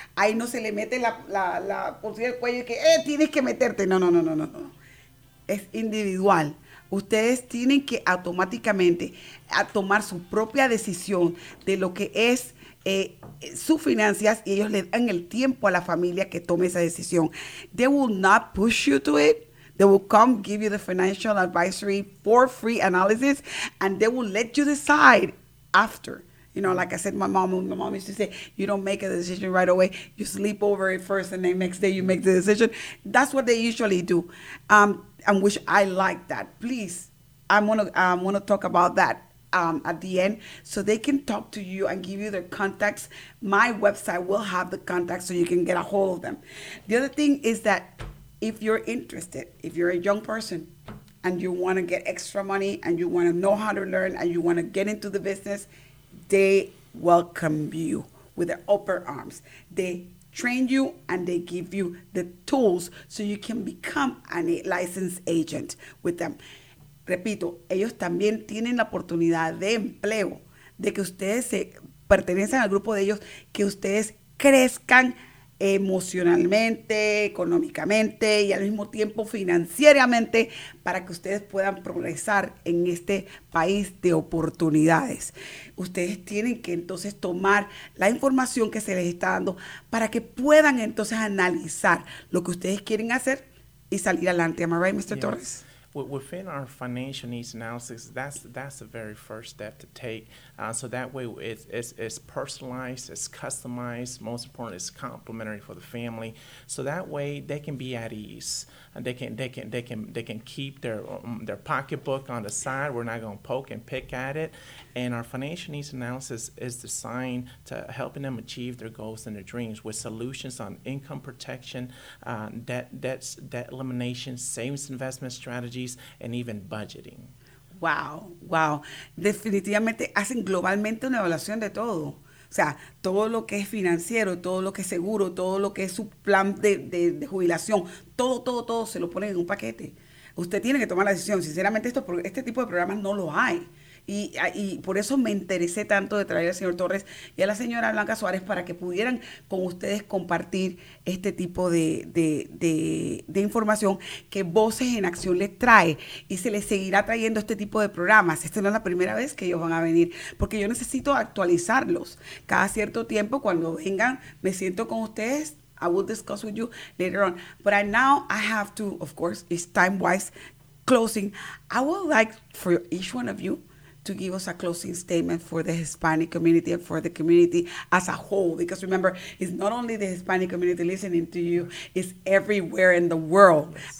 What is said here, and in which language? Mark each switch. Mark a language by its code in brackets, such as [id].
[es] Ahí no se le mete la posibilidad del cuello de que, tienes que meterte. No. Es individual. Ustedes tienen que automáticamente tomar su propia decisión de lo que es sus finanzas, y ellos le dan el tiempo a la familia que tome esa decisión. [en] They will not push you to it. They will come give you the financial advisory for free analysis, and they will let you decide after. You know, like I said, my mom used to say, you don't make a decision right away. You sleep over it first, and then next day you make the decision. That's what they usually do. And which I like that. Please, I'm gonna talk about that at the end, so they can talk to you and give you their contacts. My website will have the contacts so you can get a hold of them. The other thing is that if you're interested, if you're a young person and you want to get extra money and you want to know how to learn and you want to get into the business, they welcome you with their upper arms. They train you and they give you the tools so you can become a licensed agent with them. [es] Repito, ellos también tienen la oportunidad de empleo, de que ustedes se pertenecen al grupo de ellos, que ustedes crezcan emocionalmente, económicamente y al mismo tiempo financieramente, para que ustedes puedan progresar en este país de oportunidades. Ustedes tienen que entonces tomar la información que se les está dando para que puedan entonces analizar lo que ustedes quieren hacer y salir adelante. [en] ¿Am I right, Mr. Yes. Torres? Within our financial needs analysis, that's the very first step to take. So that way it's personalized, it's customized, most important, it's complimentary for the family. So that way they can be at ease. And they can keep their pocketbook on the side. We're not going to poke and pick at it. And our financial needs analysis is designed to helping them achieve their goals and their dreams with solutions on income protection, debt elimination, savings investment strategies, and even budgeting. [es] Wow. Definitivamente hacen globalmente una evaluación de todo. O sea, todo lo que es financiero, todo lo que es seguro, todo lo que es su plan de jubilación, todo se lo ponen en un paquete. Usted tiene que tomar la decisión. Sinceramente, este tipo de programas no lo hay. Y por eso me interesé tanto de traer al señor Torres y a la señora Blanca Suárez para que pudieran con ustedes compartir este tipo de información que Voces en Acción les trae, y se les seguirá trayendo este tipo de programas. Esta no es la primera vez que ellos van a venir, porque yo necesito actualizarlos. Cada cierto tiempo, cuando vengan, me siento con ustedes. [en] I will discuss with you later on. But right now, I have to, of course, it's time-wise closing. I would like for each one of you to give us a closing statement for the Hispanic community and for the community as a whole. Because remember, it's not only the Hispanic community listening to you, it's everywhere in the world. Yes.